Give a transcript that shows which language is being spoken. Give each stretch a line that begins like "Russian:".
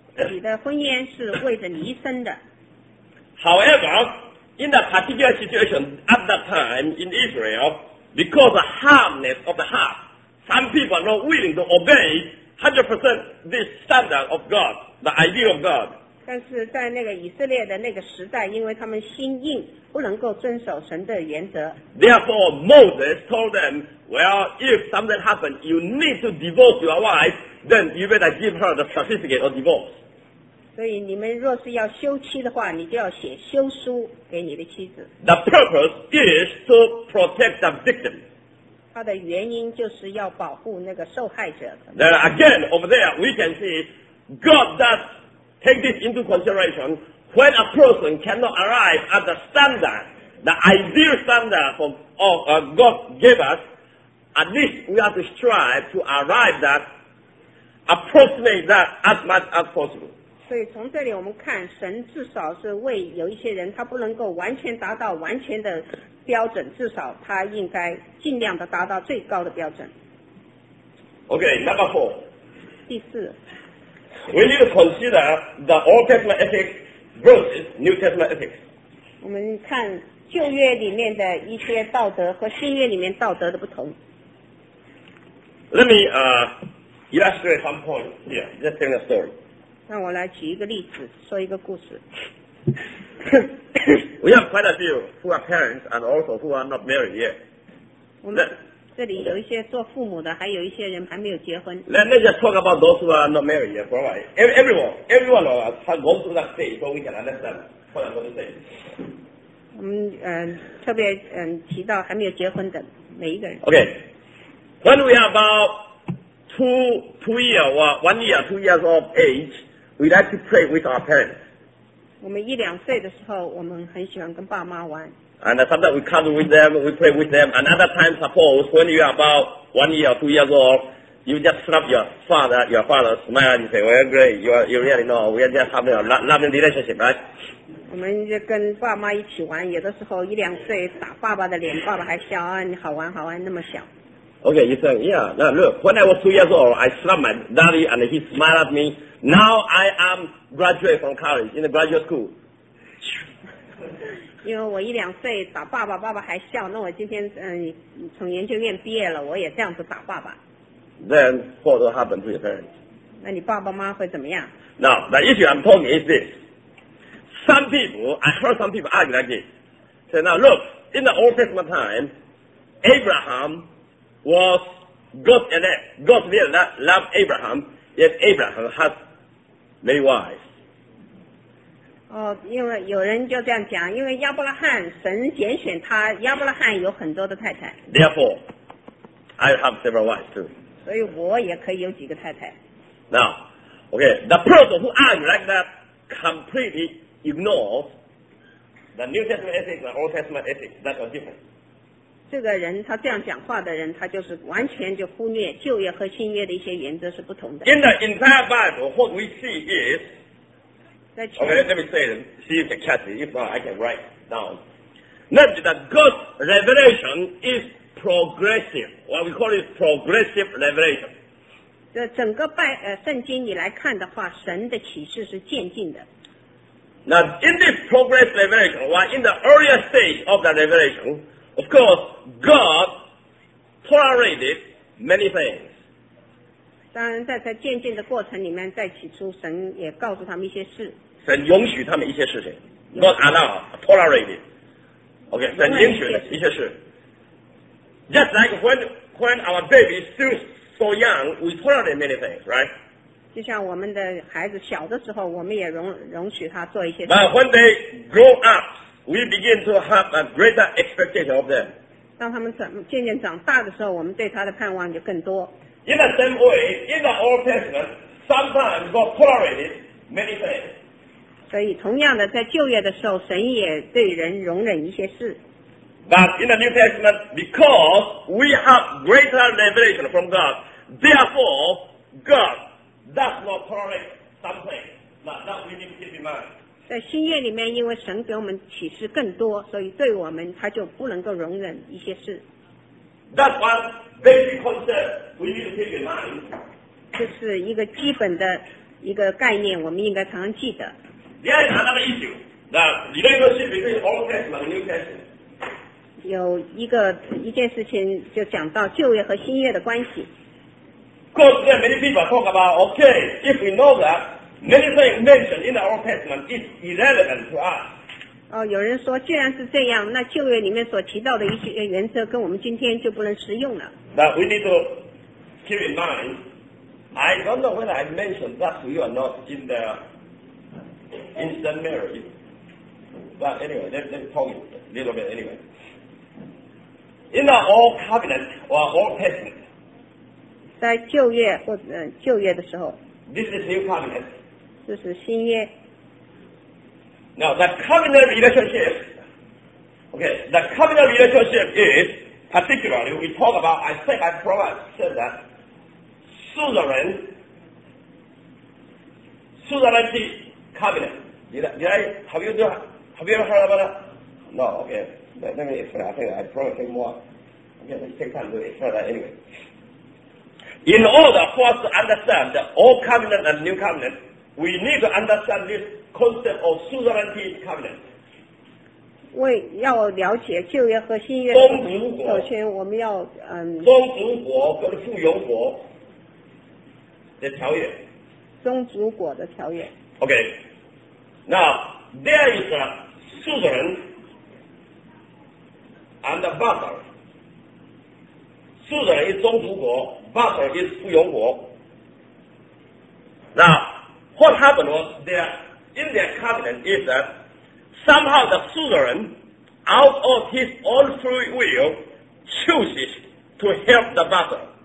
Chinese: 你的婚姻是为着你一生的。
English: However, in the particular situation at that time in Israel, because of the hardness of the heart, some people are not willing to obey100% this standard of God, the idea of God.
Chinese: 但是在那个以色列的那个时代，因为他们心硬，不能够遵守神的原则。
English: Therefore, Moses told them, "Well, if something happens, you need to divorce your wife. Then you better give her the certificate of divorce."
Chinese: 所以你们若是要休妻的话，你就要写休书给你的妻子。
English: The purpose is to protect the victim.
Chinese: 他的原因就是要保护那个受害者。
English: Then again, over there, we can see God does take this into consideration when a person cannot arrive at the standard, the ideal standard of God gave us. At least we have to strive to arrive that, approximate that as much as possible.
Chinese: 所以从这里我们看，神至少是为有一些人，他不能够完全达到完全的。标准至少他应该尽量的达到最高的标准。
English: Okay, number four.
Chinese: 第四。
English: We need to consider the Old Testament ethics versus New Testament ethics.
Chinese: 我们看旧约里面的一些道德和新约里面道德的不同。
English: Let me illustrate some point here. Just tell a story.
Chinese: 让我来举一个例子，说一个故事。
English: We have quite a few who are parents and also who are not married yet.
Chinese: 这里有一些做父母的，还有一些人还没有结婚。
English: Let's just talk about those who are not married yet, right? Everyone of us has gone through that stage, so we can understand what I'm going to say.
Chinese: 特别提到还没有结婚的每一个人。
English: Okay, when we are about two years of age, we like to play with our parents.
Chinese: 我们一两岁的时候，我们很喜欢跟爸妈玩。
English: And sometimes we cuddle with them, we play with them. Another time, suppose when you are about 1 year, 2 years old, you just slap your father, smile, and you say, "Well, great, you really know we are just having a loving relationship, right?"
Chinese: 我们就跟爸妈一起玩，有的时候一两岁打爸爸的脸，爸爸还笑啊，你好玩好玩，那么小。
English: Okay, you say, "Yeah, now look, when I was 2 years old, I slapped my daddy, and he smiled at me." Now I am graduate from college, in the graduate school.
Chinese: 因为我一两岁打爸爸，爸爸还笑，那我今天从研究院毕业了，我也这样子打爸爸。
English: Then what will happen to your parents?
Chinese: 那你爸爸妈会怎么样？
English: Now, the issue I'm talking is this. Some people, I heard some people argue like this. Say, now look, in the Old Testament time, Abraham was God's elect. God really loved Abraham. Yet Abraham has many wives.
Chinese: 哦，因为有人就这样讲，因为亚伯拉罕神拣选他，亚伯拉罕有很多的太太。
English: Therefore, I have several wives too.
Chinese: 所以我也可以有几个太太。
English: Now, okay, the person who argues like that completely ignores The New Testament ethics and Old Testament ethics, that's the difference.
Chinese: 这个人他这样讲话的人，他就是完全就忽略旧约和新约的一些原则是不同的。
English: In the entire Bible, what we see is, okay, let me say it, see if you can catch it. If not, I can write down. Not that God's revelation is progressive. What we call it progressive revelation.
Chinese: 这整个拜圣经你来看的话，神的启示是渐进的。
English: Now in this progress revelation, while in the earlier stage of the revelation, of course, God tolerated many things.
Chinese: 当然在渐进的过程里面，在起初神也告诉他们一些事。神允许他们一些事情。
English: God allowed, tolerated.
Chinese: Okay, 神允许一些事。
English: Just like when our baby is still so young, we tolerate many things, right?
Chinese: 就像我们的孩子小的时候，我们也容许他做一些。
English: But when they grow up, we begin to have a greater expectation of them.
Chinese: 当他们渐渐长大的时候，我们对他的盼望就更多。
English: In the same way, in the Old Testament, sometimes God tolerated many things.
Chinese: 所以，同样的，在旧约的时候，神也对人容忍一些事。
English: But in the New Testament, because we have greater revelation from God, therefore God. That's not tolerate something that we need to keep in mind.
Chinese: 在新约里面，因为神给我们启示更多，所以对我们他就不能够容忍一些事。
English: That's one basic concept we need to keep in mind.
Chinese: 这是一个基本的一个概念，我们应该常常记得。
English: There is another issue, the relationship between Old Testament and New Testament.
Chinese: 有一件事情就讲到旧约和新约的关系。
English: Of course, there are many people talk about, okay, if we know that, many things mentioned in the Old Testament is irrelevant to us.
Chinese: 哦，有人说，既然是这样，那旧约里面所提到的一些原则跟我们今天就不能适用了。
English: But we need to keep in mind, I don't know whether I mentioned that to you or not in the instant marriage. But anyway, let me talk a little bit anyway. In the Old Covenant or Old Testament,
Chinese: 在旧约或者旧约的时候
English: This is new covenant.
Chinese: 这是新约
English: Now the covenant relationship Okay, the covenant relationship is Particularly we talk about I think I probably said that Suzerainty covenant Have you ever heard about that? No, okay Let me explain, I think I probably think more Okay, let's take time to explain that anywayIn order for us to understand the Old Covenant and New Covenant, we need to understand this concept of suzerainty covenant.
Chinese: 为要了解旧约和新约，首先我们要宗主国跟附庸国的条约。宗主国的条约。
English: Okay. Now there is a suzerain and a vassal. Suzerain is 宗主国。Vassal is 附庸国 Now, what happened was there, in their covenant is that somehow the suzerain, out of his own free will, chooses to help the vassal.